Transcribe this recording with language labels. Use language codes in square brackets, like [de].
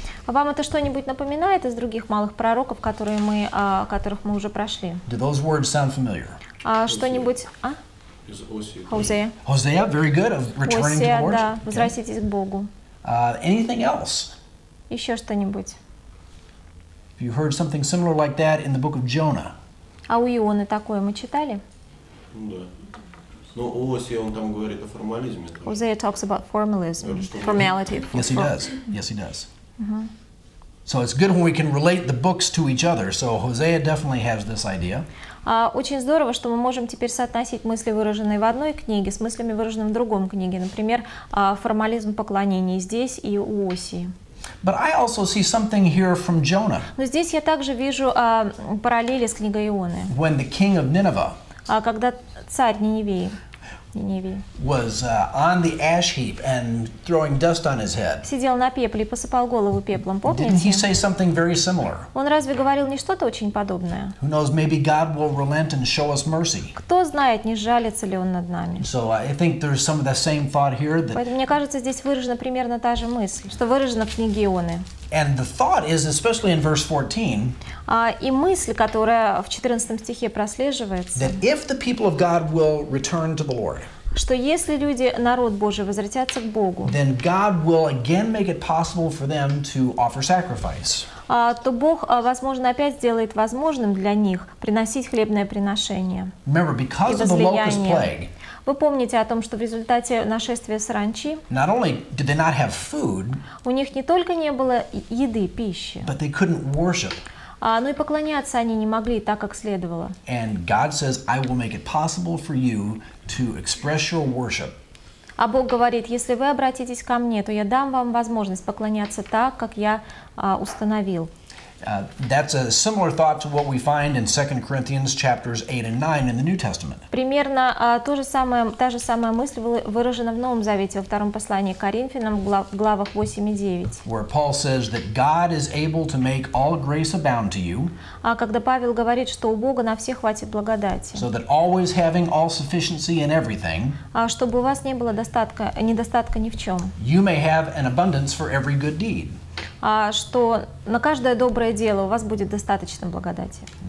[ru] Вам это что-нибудь напоминает из других малых пророков, которые мы, которых мы уже прошли? [en] Do those words sound familiar? [ru] Что-нибудь? [en] Hosea. Hosea, very good, of returning Hosea, to the Lord. [ru] Да, okay. Возвратитесь к Богу. [en] Anything else? [ru] Еще что-нибудь? [en] Have you heard something similar like that in the book of Jonah? [ru] А у Ионы такое мы читали? Да. Но у Осии он там говорит о формализме. [en] Hosea talks about formalism, formality. Yes, he does. Yes, he does. So it's good when we can relate the books to each other. So Hosea definitely has this idea. [ru] Очень здорово, что мы можем теперь соотносить мысли, выраженные в одной книге, с мыслями, выраженными в другом книге. Например, формализм поклонения здесь и у Осии. [en] But I also see something here from Jonah. [ru] Но здесь я также вижу параллели с книгой Ионы. [en] When the king of Nineveh. [ru] Когда царь Ниневии [en] was on the ash heap and throwing dust on his head. [ru] Сидел на пепле и посыпал голову пеплом, помните? [en] Didn't he say something very similar? [ru] Он разве говорил не что-то очень подобное? [en] Who knows, maybe God will relent and show us mercy. [ru] Кто знает, не жалится ли он над нами? [en] So I think there's some of the same thought here that... [ru] Поэтому, мне кажется, здесь выражена примерно та же мысль, что выражена в книге Ионы. [en] And the thought is, especially in verse 14, [ru] и мысль, которая в 14 стихе прослеживается, [en] that if the people of God will return to the Lord, [ru] что если люди, народ Божий, возвратятся к Богу, [en] then God will again make it possible for them to offer sacrifice. [ru] То Бог, возможно, опять сделает возможным для них приносить хлебное приношение и возлияние. [en] Remember, because of the locust plague, [ru] Вы помните о том, что в результате нашествия саранчи [en] not only did they not have food, [ru] у них не только не было еды, пищи, [en] but they couldn't worship. [ru] Но и поклоняться они не могли так, как следовало. [en] And God says, I will make it possible for you to express your worship. [ru] А Бог говорит, если вы обратитесь ко мне, то я дам вам возможность поклоняться так, как я установил. [en] That's a similar thought to what we find in 2 Corinthians chapters 8 and 9 in the New Testament. [ru] Примерно та же самая мысль выражена в Новом Завете, во втором послании к Коринфянам, главах 8 и 9. [en] Where Paul says that God is able to make all grace abound to you. [ru] А когда Павел говорит, что у Бога на все хватит благодати. [en] So that always having all sufficiency in everything. [ru] А чтобы у вас не было недостатка ни в чем. [en] You may have an abundance for every good deed. [ru] Что на каждое доброе дело у вас будет достаточно благодати.